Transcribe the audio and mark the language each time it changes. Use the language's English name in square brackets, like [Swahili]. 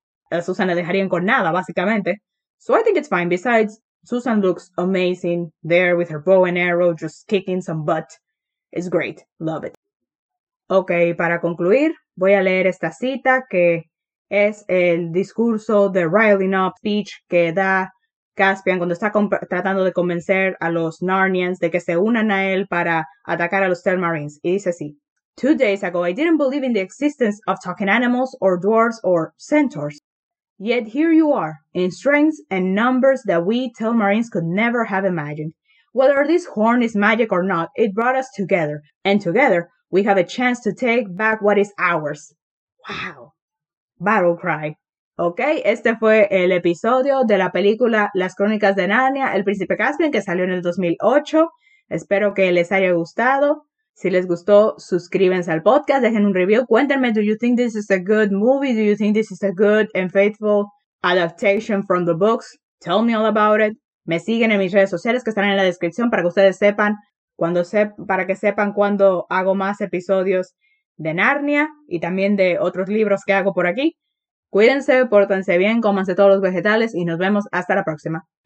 [Spanish] A Susan le dejarían con nada, básicamente. [English] So I think it's fine. Besides, Susan looks amazing there with her bow and arrow, just kicking some butt. It's great. Love it. [Spanish] Ok, para concluir, voy a leer esta cita que es el discurso de [English] Riling Up Speech [Spanish] que da Caspian cuando está tratando de convencer a los Narnians de que se unan a él para atacar a los Telmarines. Y dice así, [English] 2 days ago I didn't believe in the existence of talking animals or dwarves or centaurs. Yet here you are, in strengths and numbers that we Telmarines could never have imagined. Whether this horn is magic or not, it brought us together, and together we have a chance to take back what is ours. Wow. Battle cry. [Spanish] Ok, este fue el episodio de la película Las Crónicas de Narnia, El Príncipe Caspian, que salió en el 2008. Espero que les haya gustado. Si les gustó, suscríbanse al podcast, dejen un review. Cuéntenme, [English] do you think this is a good movie? Do you think this is a good and faithful adaptation from the books? Tell me all about it. [Spanish] Me siguen en mis redes sociales que están en la descripción para que ustedes sepan para que sepan cuando hago más episodios de Narnia y también de otros libros que hago por aquí. Cuídense, pórtense bien, cómanse todos los vegetales y nos vemos hasta la próxima.